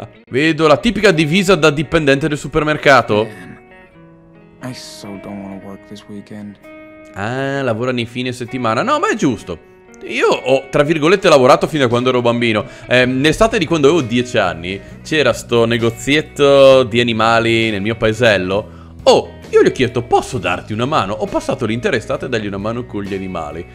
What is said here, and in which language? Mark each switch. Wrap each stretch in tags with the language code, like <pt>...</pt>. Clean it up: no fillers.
<it>Vedo la tipica divisa da dipendente del supermercato.</it> <en>I so don't wanna work this weekend.</en> <it>Ah, lavora nei fine settimana. No, ma è giusto. Io ho, tra virgolette, lavorato fin da quando ero bambino. Nell'estate di quando avevo 10 anni c'era sto negozietto di animali nel mio paesello. Oh, io gli ho chiesto, posso darti una mano? Ho passato l'intera estate a dargli una mano con gli animali.</it>